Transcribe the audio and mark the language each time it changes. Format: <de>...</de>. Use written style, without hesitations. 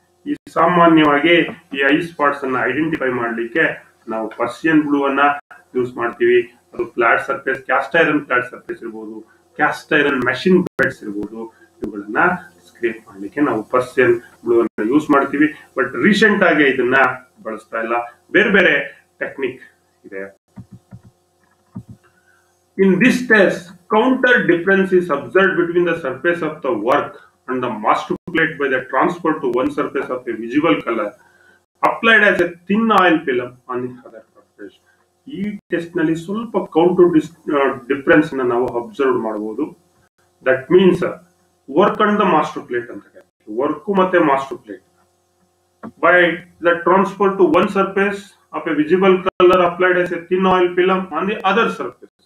<kn>ಈ ಸಾಮಾನ್ಯವಾಗಿ ಈ ಐ ಸ್ಪಾಟ್ಸ್ ಅನ್ನ ಐಡೆಂಟಿಫೈ ಮಾಡಲಿಕ್ಕೆ ನಾವು ಪರ್ಸಿಯನ್ ಬ್ಲೂ ಅನ್ನ ಯೂಸ್ ಮಾಡ್ತೀವಿ. ಅದು flat surface, caste iron flat surface ಇರ್ಬೋದು, ಕ್ಯಾಸ್ಟ್ ಐರನ್ ಮೆಷಿನ್ ಬೆಡ್ಸ್ ಇರ್ಬೋದು, ಇವುಗಳನ್ನ ಸ್ಕ್ರೇಪ್ ಮಾಡಲಿಕ್ಕೆ ನಾವು ಪರ್ಸಿಯನ್ ಬ್ಲೂ ಅನ್ನ ಯೂಸ್ ಮಾಡ್ತೀವಿ. ಬಟ್ ರೀಸೆಂಟ್ ಆಗಿ ಇದನ್ನ ಬಳಸ್ತಾ ಇಲ್ಲ, ಬೇರೆ ಬೇರೆ technique.</kn> <en>In this test, counter difference is observed between the surface of the work and the master plate by the transfer to one surface of a visible color applied as a thin oil film on the other surface.</en> <kn>ಈ test ನಲ್ಲಿ ಸ್ವಲ್ಪ counter difference ನ ನಾವು observe ಮಾಡಬಹುದು.</kn> <en>that means work and the master plate</en> <kn>ಅಂತ ಕರೀತೀವಿ,</kn> <en>Work ಮತ್ತೆ master plate. By the transfer to one surface of a visible color applied as a thin oil film on the other surface.</en>